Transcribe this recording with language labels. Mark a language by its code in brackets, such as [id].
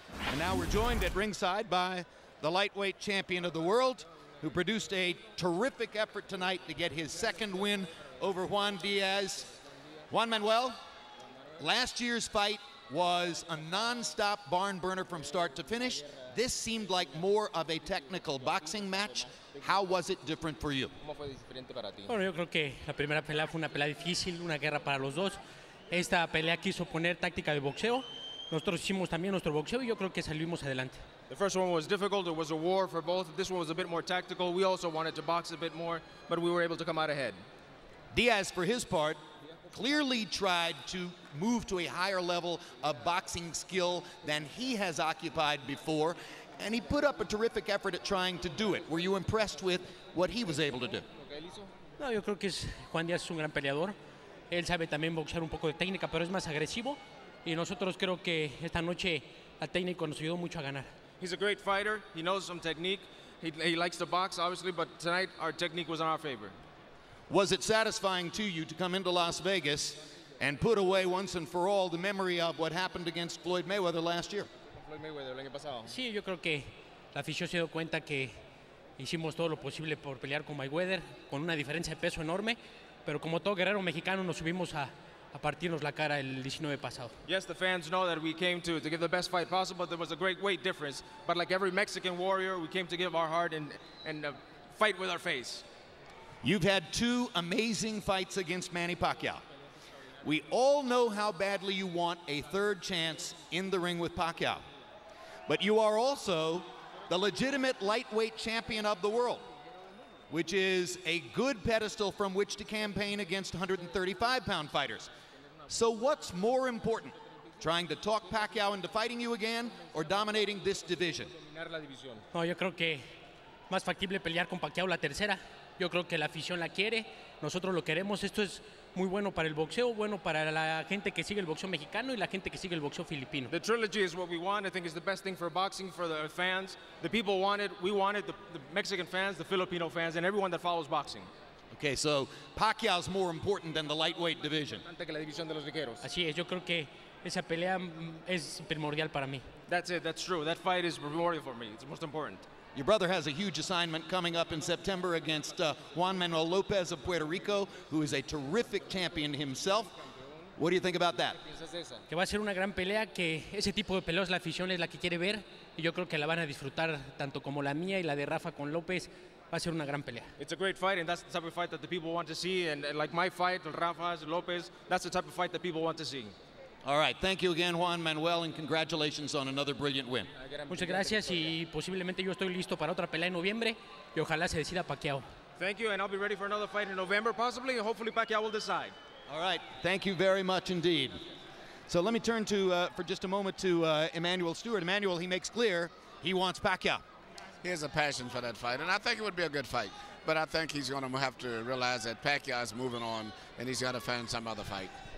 [en] And now we're joined at ringside by the lightweight champion of the world, who produced a terrific effort tonight to get his second win over Juan Diaz. Juan Manuel, last year's fight was a nonstop barn burner from start to finish. This seemed like more of a technical boxing match. How was it different for you? [es] Bueno, yo creo que la primera pelea fue una pelea difícil, una guerra para los dos. Esta pelea quiso poner táctica de boxeo. Nosotros hicimos también nuestro boxeo y yo creo que salimos adelante. [en] The first one was difficult. It was a war for both. This one was a bit more tactical. We also wanted to box a bit more, but we were able to come out ahead. Diaz, for his part, clearly tried to move to a higher level of boxing skill than he has occupied before, and he put up a terrific effort at trying to do it. Were you impressed with what he was able to do? [es] No, yo creo que Juan Diaz es un gran peleador. Él sabe también boxear un poco de técnica, pero es más agresivo. Y nosotros creo que esta noche la técnica nos ayudó mucho a ganar. [en] He's a great fighter. He knows some technique. He likes to box, obviously, but tonight our technique was in our favor. Was it satisfying to you to come into Las Vegas and put away once and for all the memory of what happened against Floyd Mayweather last year? [es] Floyd Mayweather, el año pasado. Sí, yo creo que la afición se dio cuenta que hicimos todo lo posible por pelear con Mayweather, con una diferencia de peso enorme, pero como todo guerrero mexicano nos subimos a partirnos la cara el 19 pasado. [en] Yes, the fans know that we came to give the best fight possible, but there was a great weight difference. But like every Mexican warrior, we came to give our heart and fight with our face. You've had two amazing fights against Manny Pacquiao. We all know how badly you want a third chance in the ring with Pacquiao. But you are also the legitimate lightweight champion of the world, which is a good pedestal from which to campaign against 135-pound fighters. So what's more important, trying to talk Pacquiao into fighting you again or dominating this division? [es] No, yo creo que más factible pelear con Pacquiao la tercera. Yo creo que la afición la quiere, nosotros lo queremos. Esto es muy bueno para el boxeo, bueno para la gente que sigue el boxeo mexicano y la gente que sigue el boxeo filipino. [en] The trilogy is what we want. I think it's the best thing for boxing, for the fans. The people want it, we want it, the Mexican fans, the Filipino fans, and everyone that follows boxing. Okay, so Pacquiao's more important than the lightweight division. [es] Antes que la división de los ligeros. Así es, yo creo que esa pelea es primordial para mí. [en] That's it, that's true. That fight is primordial for me. It's most important. Your brother has a huge assignment coming up in September against Juan Manuel Lopez of Puerto Rico, who is a terrific champion himself. What do you think about that? [es] Que va a ser una gran pelea, que ese tipo de peleas la afición es la que quiere ver, y yo creo que la van a disfrutar tanto como la mía y la de Rafa con López. Va a ser una gran pelea. [en] It's a great fight, and that's the type of fight that the people want to see, and like my fight, Rafa's, López, that's the type of fight that people want to see. All right, thank you again, Juan Manuel, and congratulations on another brilliant win. [es] Muchas gracias, y posiblemente yo estoy listo para otra pelea en noviembre, y ojalá se decida Pacquiao. [en] Thank you, and I'll be ready for another fight in November, possibly, and hopefully Pacquiao will decide. All right, thank you very much indeed. So let me turn to, for just a moment, to Emmanuel Stewart. Emmanuel, he makes clear he wants Pacquiao. He has a passion for that fight, and I think it would be a good fight. But I think he's going to have to realize that Pacquiao is moving on, and he's got to find some other fight.